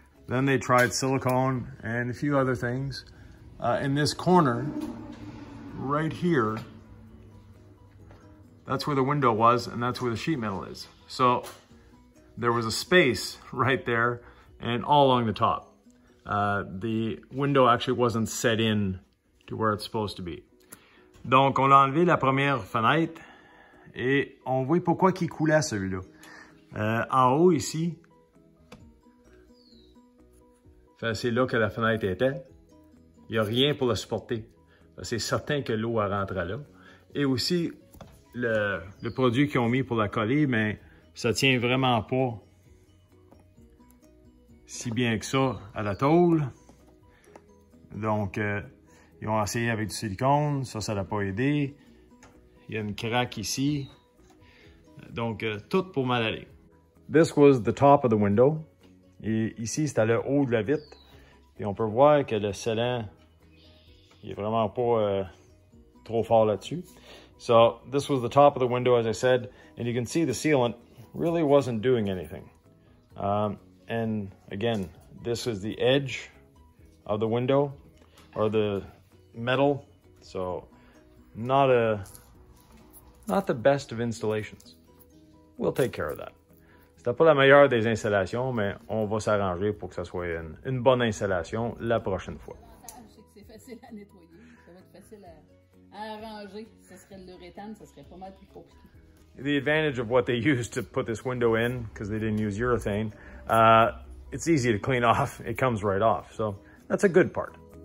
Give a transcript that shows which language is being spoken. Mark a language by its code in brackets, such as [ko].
[en] Then they tried silicone and a few other things. In this corner, right here, that's where the window was and that's where the sheet metal is. So there was a space right there and all along the top. The window actually wasn't set in to where it's supposed to be. [fr] Donc, on a enlevé la première fenêtre et on voit pourquoi qu'il coulait celui-là. En haut ici, c'est là que la fenêtre était. Il n'y a rien pour la supporter. C'est certain que l'eau rentre là. Et aussi, le produit qu'ils ont mis pour la coller, mais ça ne tient vraiment pas si bien que ça à la tôle. Donc, ils ont essayé avec du silicone. Ça n'a pas aidé. Il y a une craque ici. Donc, tout pour mal aller. [en] This was the top of the window. [fr] Et ici, c'était le haut de la vitre. Et on peut voir que le scellant, il est vraiment pas trop fort là-dessus. [en] So, this was the top of the window, as I said. And you can see the sealant really wasn't doing anything. And again, this is the edge of the window or the metal. So not the best of installations. We'll take care of that. [fr] C'est pas la meilleure des installations, mais on va s'arranger pour que ça soit une bonne installation la prochaine fois. L'avantage, c'est que c'est facile à nettoyer. Ça va être facile à arranger. Ça serait l'urétane, ça serait pas mal plus compliqué. [en] The advantage of what they used to put this window in, because they didn't use urethane, it's easy to clean off. It comes right off. So that's a good part.